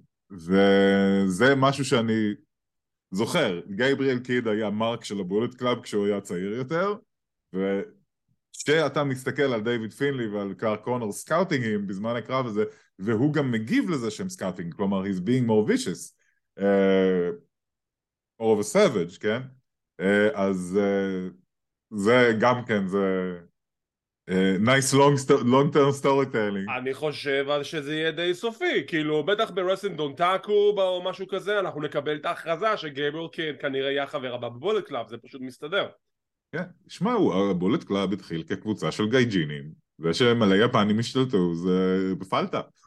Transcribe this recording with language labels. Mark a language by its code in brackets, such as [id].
[he] וזה משהו שאני זוכר, גבריאל קיד היה מרק של הבולט קלאב כשהוא היה צעיר יותר, וכשאתה מסתכל על דייוויד פינלי ועל קלארק קונורס סקאוטינגים בזמן הקרב הזה, והוא גם מגיב לזה שהם סקאוטינג, כלומר, [en] he's being more vicious, or of a savage, [he] כן? אז זה גם כן, זה [en] Nice long-term storytelling. [he] אני חושב שזה יהיה די סופי. כאילו, בטח ברסן דונטאקו או משהו כזה, אנחנו נקבל את ההכרזה שגייבריל קיין כנראה יהיה חבר הבא בבולט קלאב, זה פשוט מסתדר. כן, שמעו, הבולט קלאב התחיל כקבוצה של גייג'ינים, ושמלא יפנים השתלטו, זה בפלטה.